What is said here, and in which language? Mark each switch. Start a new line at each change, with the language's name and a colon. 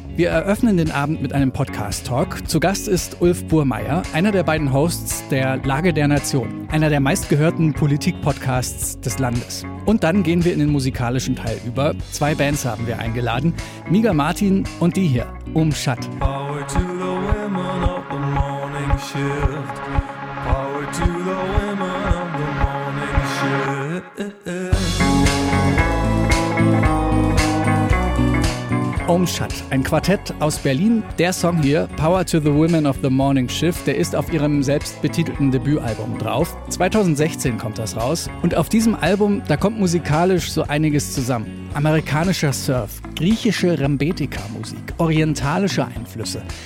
German: Wir eröffnen den Abend mit einem Podcast-Talk. Zu Gast ist Ulf Burmeier, einer der beiden Hosts der Lage der Nation, einer der meistgehörten Politik-Podcasts des Landes. Und dann gehen wir in den musikalischen Teil über. Zwei Bands haben wir eingeladen, Miga Martin und die hier, Umschatt.
English: Power to the women of the morning shift. Power to the women of the morning shift.
German: Umschatt, ein Quartett aus Berlin. Der Song hier, Power to the Women of the Morning Shift, der ist auf ihrem selbstbetitelten Debütalbum drauf. 2016 kommt das raus. Und auf diesem Album, da kommt musikalisch so einiges zusammen. Amerikanischer Surf, griechische Rambetika-Musik, orientalische Einflüsse.